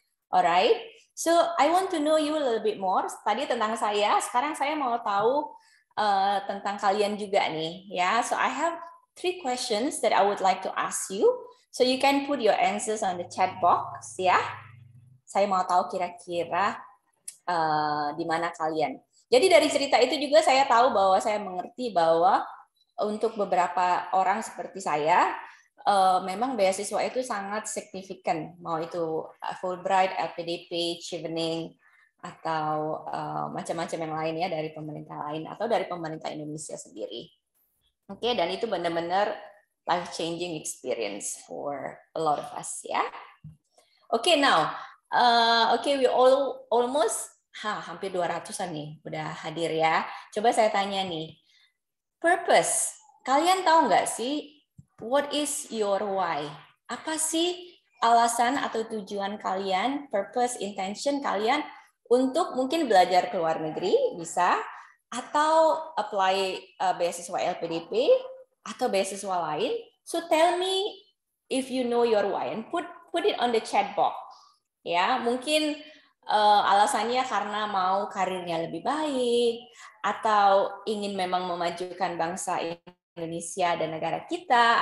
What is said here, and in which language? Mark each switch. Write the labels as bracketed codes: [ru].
[en] Alright, so I want to know you a little bit more. [id] Tadi tentang saya, sekarang saya mau tahu tentang kalian juga nih ya. [en] So I have 3 questions that I would like to ask you. So you can put your answers on the chat box ya. [id] Saya mau tahu kira-kira di mana kalian. Jadi dari cerita itu juga saya tahu bahwa saya mengerti bahwa untuk beberapa orang seperti saya, memang beasiswa itu sangat signifikan. Mau itu Fulbright, LPDP, Chevening, atau macam-macam yang lain ya dari pemerintah lain atau dari pemerintah Indonesia sendiri. [en] Okay, [id] dan itu benar-benar [en] life-changing experience for a lot of us ya. Okay, now, we all almost [id] hampir 200-an nih udah hadir ya. Coba saya tanya nih, purpose, kalian tahu nggak sih, [en] what is your why? [id] Apa sih alasan atau tujuan kalian, purpose, intention kalian untuk mungkin belajar ke luar negeri, bisa, atau apply beasiswa LPDP, atau beasiswa lain? [en] So tell me if you know your why, and put it on the chat box. [id] Ya, mungkin alasannya karena mau karirnya lebih baik atau ingin memang memajukan bangsa Indonesia dan negara kita.